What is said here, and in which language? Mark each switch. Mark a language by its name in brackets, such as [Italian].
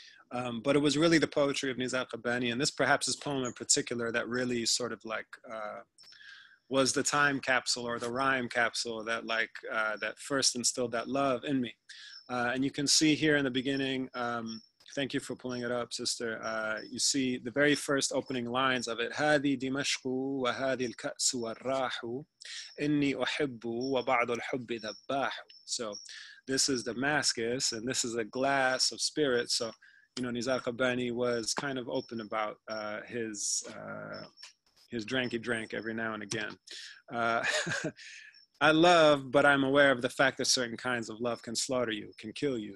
[English] But it was really the poetry of Nizar Qabbani, and this perhaps his poem in particular, that really sort of like was the time capsule or the rhyme capsule that like that first instilled that love in me. And you can see here in the beginning, thank you for pulling it up, sister. You see the very first opening lines of it. [Arabic] هذه دمشق وهذه الكأس والراح إني أحب وبعض الحب ذباح. [English] So this is Damascus and this is a glass of spirit. So, you know, Nizar Qabbani was kind of open about his drank every now and again. I love, but I'm aware of the fact that certain kinds of love can slaughter you, can kill you.